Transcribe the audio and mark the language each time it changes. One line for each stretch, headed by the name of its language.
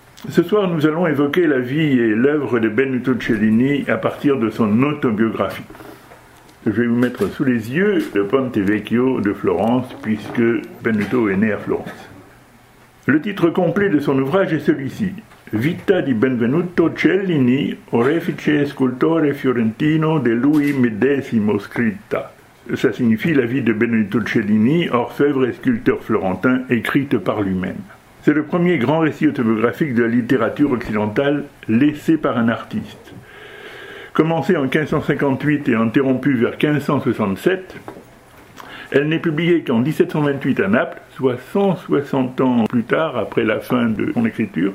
French: Ce soir, nous allons évoquer la vie et l'œuvre de Benito Cellini à partir de son autobiographie. Je vais vous mettre sous les yeux le Ponte Vecchio de Florence, puisque Benito est né à Florence. Le titre complet de son ouvrage est celui-ci.
Italian: Vita di Benvenuto Cellini, orefice scultore fiorentino de lui medesimo scritta.
French: Ça signifie la vie de Benito Cellini, orfèvre et sculpteur florentin, écrite par lui-même. C'est le premier grand récit autobiographique de la littérature occidentale laissé par un artiste. Commencée en 1558 et interrompue vers 1567, elle n'est publiée qu'en 1728 à Naples, soit 160 ans plus tard, après la fin de son écriture.